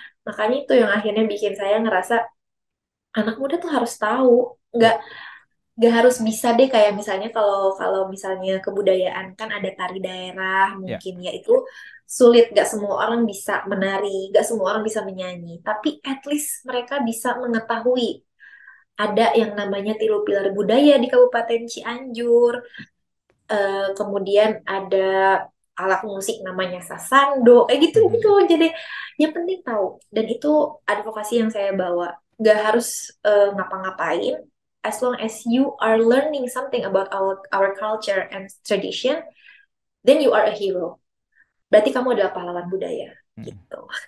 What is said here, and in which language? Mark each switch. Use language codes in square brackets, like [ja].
[id] Makanya itu yang akhirnya bikin saya ngerasa anak muda tuh harus tahu, nggak harus bisa deh kayak misalnya kalau kalau misalnya kebudayaan kan ada tari daerah mungkin ya itu sulit, nggak semua orang bisa menari, nggak semua orang bisa menyanyi, tapi at least mereka bisa mengetahui ada yang namanya tilu pilar budaya di Kabupaten Cianjur, kemudian ada alat musik namanya sasando kayak gitu gitu. Jadi yang penting tahu dan itu advokasi yang saya bawa, nggak harus ngapa-ngapain. [en] As long as you are learning something about our culture and tradition, then you are a hero. [id] Berarti kamu adalah pahlawan budaya, gitu.